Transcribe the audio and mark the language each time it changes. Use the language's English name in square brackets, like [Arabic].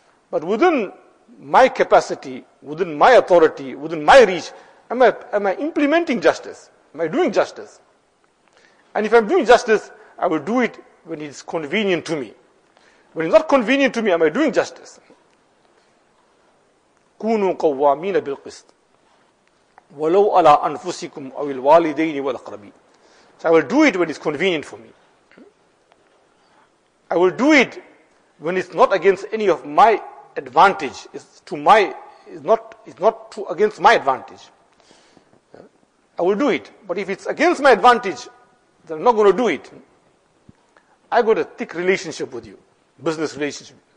[English] But within my capacity, within my authority, within my reach, am I implementing justice? Am I doing justice? And if I'm doing justice, I will do it when it's convenient to me. When it's not convenient to me, am I doing justice? [Arabic] كونوا قوامين بالقسط ولو على أنفسكم أو الوالدين والأقربين. [English] So I will do it when it's convenient for me. I will do it when it's not against any of my advantage. It's not against my advantage. I will do it. But if it's against my advantage, then I'm not going to do it. I got a thick relationship with you. Business relationship.